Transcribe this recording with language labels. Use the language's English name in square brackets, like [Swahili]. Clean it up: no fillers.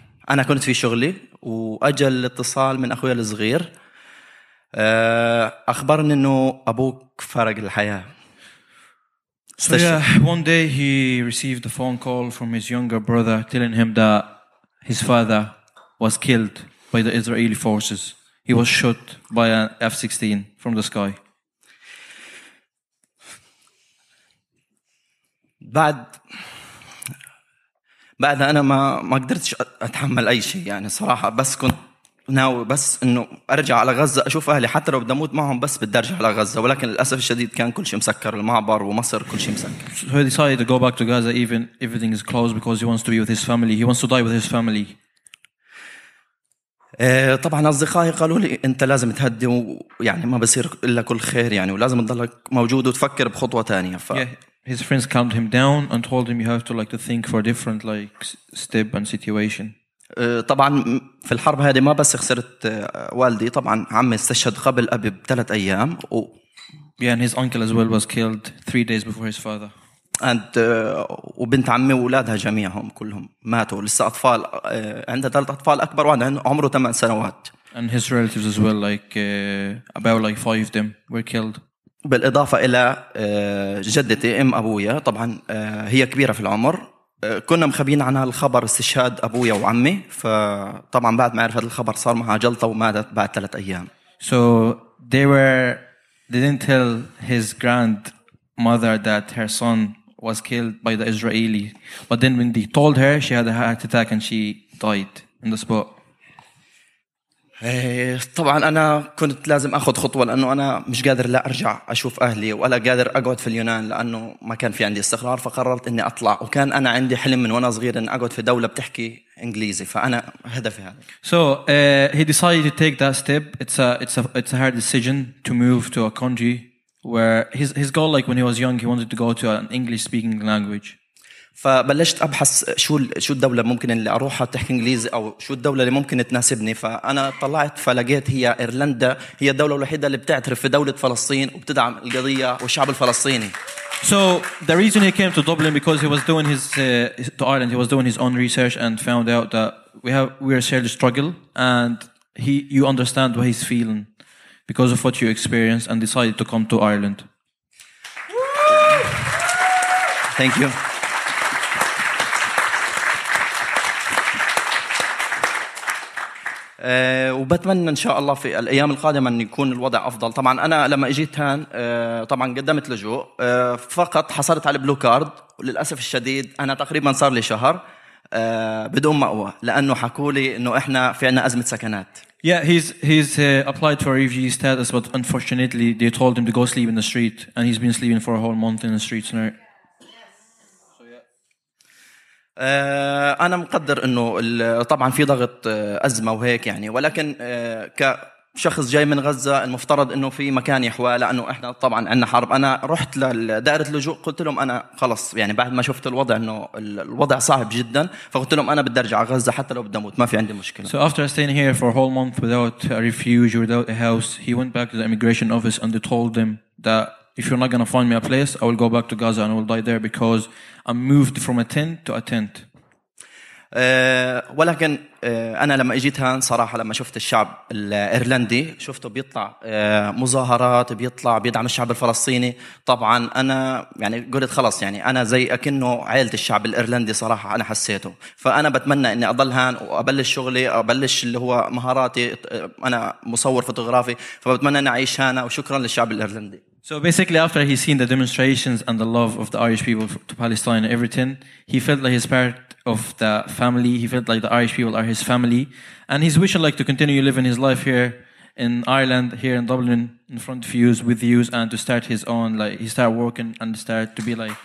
[Arabic] أنا كنت في شغلي وأجى الاتصال من أخويا الصغير. أخبرني إنه أبوك فارق الحياة. [English] So yeah, one day he received a phone call from his younger brother telling him that his father was killed by the Israeli forces. He was shot by an F-16 from the sky. [Arabic] بعد أنا ما قدرتش أتحمل أي شيء يعني صراحة بس كنت ناوي بس إنه أرجع على غزة أشوف أهلي حتى لو بدي أموت معهم بس بدي أرجع على غزة ولكن للأسف الشديد كان كل شيء مسكر المعبر ومصر كل شيء مسكر. [English] So he decided to go back to Gaza even everything is closed because he wants to be with his family. He wants to die with his family. [Arabic] طبعا أصدقائي قالوا لي أنت لازم تهدي ويعني ما بصير إلا كل خير يعني ولازم تضلك موجود وتفكر بخطوة تانية. [English] His friends calmed him down and told him you have to like to think for a different like step and situation. [Arabic] طبعا في الحرب هذه ما بس خسرت والدي طبعا عمي استشهد قبل أبي بثلاث أيام. [English] Yeah, and his uncle as well was killed 3 days before his father. And [Arabic] وبنت عمي وولادها جميعهم كلهم ماتوا لسه أطفال عنده ثلاث أطفال أكبر وعنده عمره 8 سنوات. [English] And his relatives as well, like about like 5 of them were killed. [Arabic] بالإضافة إلى جدتي أم أبويا طبعا هي كبيرة في العمر كنا مخبين عنها الخبر استشهاد أبويا وعمي فطبعا بعد ما عرف هذا الخبر صار معها جلطة وماتت بعد 3 أيام. [English] So they didn't tell his grandmother that her son was killed by the Israeli, but then when they told her, she had a heart attack and she died on the spot. [Arabic] طبعا أنا كنت لازم أخذ خطوة لأنه أنا مش قادر لا أرجع أشوف أهلي ولا قادر أقعد في اليونان لأنه ما كان في عندي استقرار فقررت إني أطلع وكان أنا عندي حلم من وأنا صغير إن أقعد في دولة بتحكي إنجليزي فأنا هدفي هذا. [English] So he decided to take that step. It's a hard decision to move to a country where his goal like when he was young he wanted to go to an English speaking language. [Arabic] فبلشت أبحث شو الدولة ممكن اللي أروحها تحكي إنجليزي أو شو الدولة اللي ممكن تناسبني فأنا طلعت فلقيت هي إيرلندا هي الدولة الوحيدة اللي بتعترف في دولة فلسطين وبتدعم القضية والشعب الفلسطيني. [English] So the reason he came to Dublin because he was doing his to Ireland he was doing his own research and found out that we are shared a struggle and you understand what he's feeling because of what you experienced and decided to come to Ireland. Thank you. [Arabic] وبتمنى إن شاء الله في الأيام القادمة أن يكون الوضع أفضل. طبعاً أنا لما أجيت هان طبعاً قدمت لجوء فقط حصلت على بلو كارد وللأسف الشديد أنا تقريباً صار لي شهر بدون مأوى لأنه حكولي إنه إحنا في عنا أزمة سكنات. [English] Yeah, he's applied for refugee status, but unfortunately they told him to go sleep in the street, and he's been sleeping for a whole month in the streets now. [Arabic] أنا مقدر إنه طبعاً في ضغط أزمة وهيك يعني ولكن كشخص جاي من غزة المفترض إنه في مكان يحواه لأنه إحنا طبعاً عنا حرب. أنا رحت لدائرة اللجوء قلت لهم أنا خلص يعني بعد ما شفت الوضع إنه الوضع صعب جداً فقلت لهم أنا بدي أرجع غزة حتى لو بدي أموت ما في عندي مشكلة. [English] So after staying here for a whole month without a refuge or without a house, he went back to the immigration office and they told him that if you're not gonna find me a place, I will go back to Gaza and I will die there because I'm moved from a tent to a tent. [Arabic] ولكن أنا لما أجيت هان صراحة لما شفت الشعب الإيرلندي شفته بيطلع مظاهرات بيطلع بيدعم الشعب الفلسطيني طبعا أنا يعني قلت خلاص يعني أنا زي أكنه عائلة الشعب الإيرلندي صراحة أنا حسيته فأنا بتمنى إني أضل هان وأبلش شغلي أبلش اللي هو مهاراتي أنا مصور فوتوغرافي فبتمنى إني أعيش هنا وشكرا للشعب الإيرلندي. [English] So basically, after he's seen the demonstrations and the love of the Irish people to Palestine and everything, he felt like he's part of the family. He felt like the Irish people are his family. And he's wishing like to continue living his life here in Ireland, here in Dublin, in front of you, with you, and to start his own, like, he start working and start to be like...